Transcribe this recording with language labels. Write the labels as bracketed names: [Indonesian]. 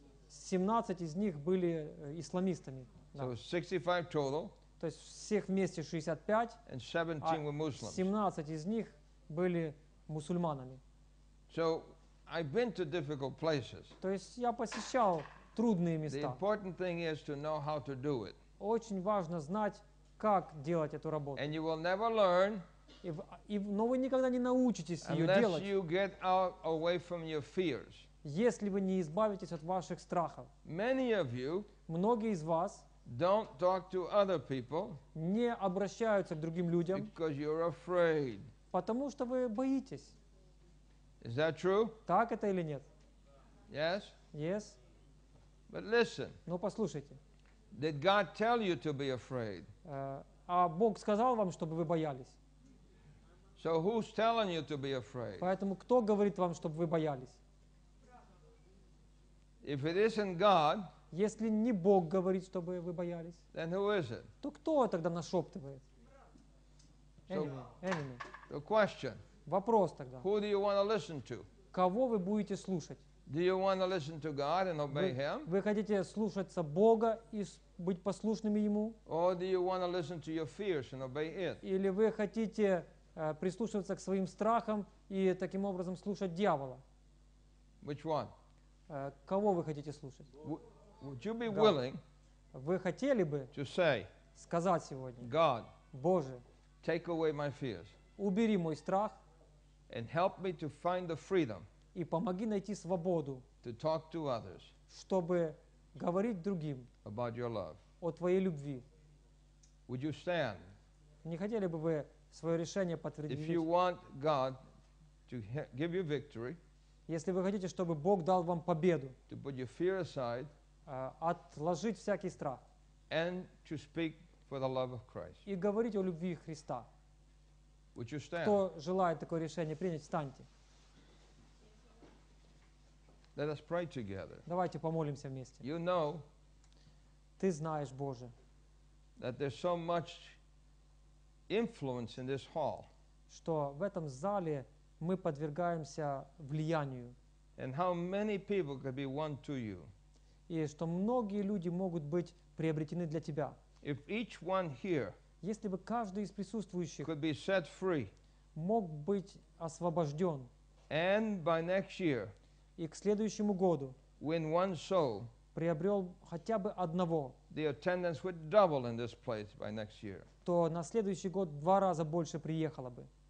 [Russian] 17 из них были исламистами. [English] So 65 total. [Russian] То есть всех вместе 65. [English] And 17 were Muslims. [Russian] 17 из них были мусульманами. [English] So I've been to difficult places. [Russian] То есть я посещал трудные места. [English] The important thing is to know how to do it. [Russian] Очень важно знать, как делать эту работу. [English] And you will never learn, [Russian] но вы никогда не научитесь ее делать, [English] unless you get out away from your fears. [Russian] Если вы не избавитесь от ваших страхов. [English] Many of you, [Russian] многие из вас, [English] don't talk to other people, [Russian] не обращаются к другим людям, [English] because you're afraid. [Russian] Потому что вы боитесь. [English] Is that true? [Russian] Так это или нет? [English] Yes. Yes. But listen. [Russian] Но послушайте. [English] Did God tell you to be afraid? [Russian] А Бог сказал вам, чтобы вы боялись. [English] So who's telling you to be afraid? [Russian] Поэтому кто говорит вам, чтобы вы боялись? [English] If it isn't God, [Russian] если не Бог говорит, чтобы вы боялись, [English] then who is it? [Russian] То кто тогда нашептывает? [English] Enemy. The question. [Russian] Вопрос тогда. [English] Who do you want to listen to? [Russian] Кого вы будете слушать? [English] Do you want to listen to God and obey Him? [Russian] Вы хотите слушаться Бога и быть послушными Ему? [English] Or do you want to listen to your fears and obey it? [Russian] Или вы хотите прислушиваться к своим страхам и таким образом слушать дьявола? [English] Which one? [Russian] Кого вы хотите слушать? [English] Would you be willing? [Russian] Вы хотели бы? [English] To say. [Russian] Сказать сегодня. [English] God. [Russian] Боже. [English] Take away my fears. [Russian] Убери мой страх. [English] And help me to find the freedom. [Russian] И помоги найти свободу, [English] to talk to others, [Russian] чтобы говорить другим [English] about your love, [Russian] о твоей любви. [English] Would you stand? [Russian] Не хотели бы вы свое решение подтвердить? [English] If you want God to give you victory, [Russian] если вы хотите, чтобы Бог дал вам победу, [English] to put your fear aside, [Russian] отложить всякий страх, [English] and to speak for the love of Christ, [Russian] и говорить о любви Христа, [English] would you stand? [Russian] Кто желает такое решение принять, встаньте. [English] Let us pray together. [Russian] Давайте помолимся вместе. [English] You know, [Russian] ты знаешь, Боже, [English] that there's so much influence in this hall, [Russian] что в этом зале мы подвергаемся влиянию. [English] And how many people could be won to you. [Russian] И что многие люди могут быть приобретены для тебя. [English] If each one here, [Russian] если бы каждый из присутствующих, [English] could be set free, [Russian] мог быть освобожден, [English] and by next year, [Russian] и к следующему году [English] when one soul, [Russian] приобрел хотя бы одного, [English] the attendance would double in this place by next year, [Russian] то на следующий год два раза больше приехало бы.